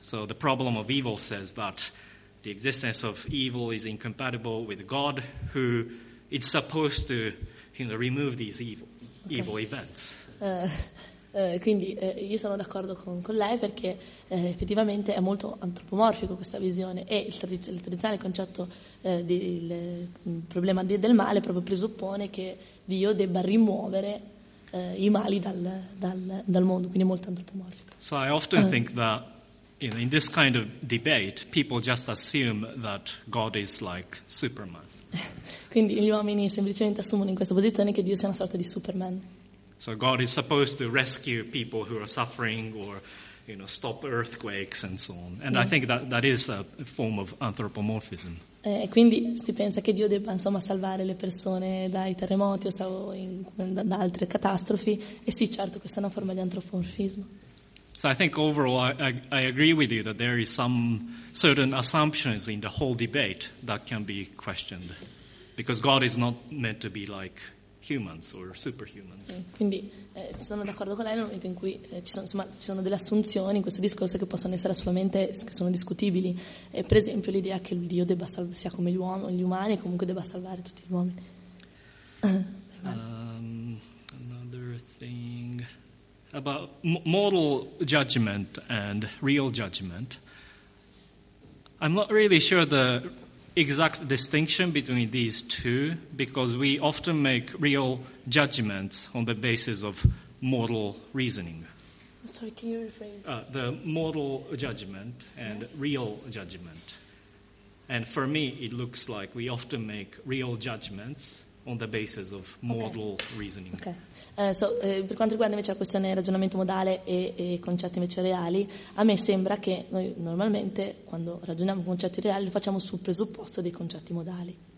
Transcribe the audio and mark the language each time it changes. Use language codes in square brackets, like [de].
[en] So the problem of evil says that the existence of evil is incompatible with God, who is supposed to remove these evil events. [it] Quindi io sono d'accordo con lei perché effettivamente è molto antropomorfico questa visione e il tradizionale concetto del problema del male proprio presuppone che Dio debba rimuovere i mali dal mondo, quindi è molto antropomorfico. [en] So I often think that in this kind of debate people just assume that God is like Superman. [it] Quindi gli uomini semplicemente assumono in questa posizione che Dio sia una sorta di Superman. [en] So God is supposed to rescue people who are suffering or stop earthquakes and so on. And I think that is a form of anthropomorphism. [it] E quindi si pensa che Dio debba insomma salvare le persone dai terremoti o da altre catastrofi e sì, certo, questa è una forma di antropomorfismo. [en] So I think overall I agree with you that there is some certain assumptions in the whole debate that can be questioned because God is not meant to be like humans or superhumans. [it] Quindi sono d'accordo con lei nel momento in cui ci sono delle assunzioni in questo discorso che possono essere assolutamente che sono discutibili. Per esempio l'idea che Dio sia come gli uomini, comunque debba salvare tutti gli uomini. [en] Another thing about moral judgment and real judgment. I'm not really sure the exact distinction between these two, because we often make real judgments on the basis of moral reasoning. Sorry, can you rephrase? The moral judgment and real judgment. And for me, it looks like we often make real judgments on the basis of moral reasoning. Okay. [it] Per quanto riguarda invece la questione del ragionamento modale e concetti invece reali, a me sembra che noi normalmente, quando ragioniamo concetti reali, lo facciamo sul presupposto dei concetti modali.